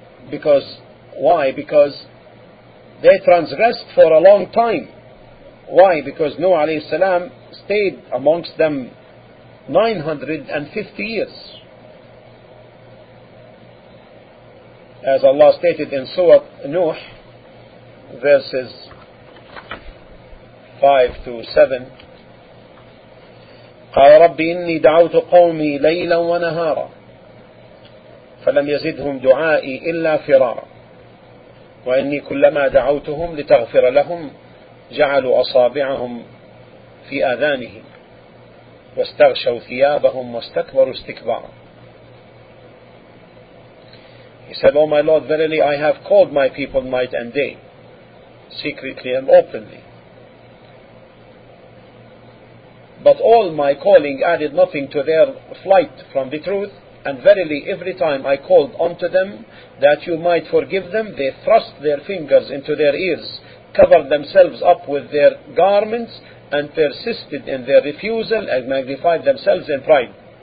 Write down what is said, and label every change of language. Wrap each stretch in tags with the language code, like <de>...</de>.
<en>Because, why? Because they transgressed for a long time. Why? Because Noah alayhi salam stayed amongst them 950 years. As Allah stated in Surah Nuh, verses 5-7,</en> <ar>قال رب إني دعوت قومي ليلا ونهارا فلم يزدهم دعائي إلا فرارا وإني كلما دعوتهم لتغفر لهم جعلوا أصابعهم في آذانهم واستغشوا ثيابهم واستكبروا استكبارا.</ar> <en>He said, O my Lord, verily I have called my people night and day, secretly and openly. But all my calling added nothing to their flight from the truth. And verily, every time I called unto them that you might forgive them, they thrust their fingers into their ears, covered themselves up with their garments, and persisted in their refusal and magnified themselves in pride.</en>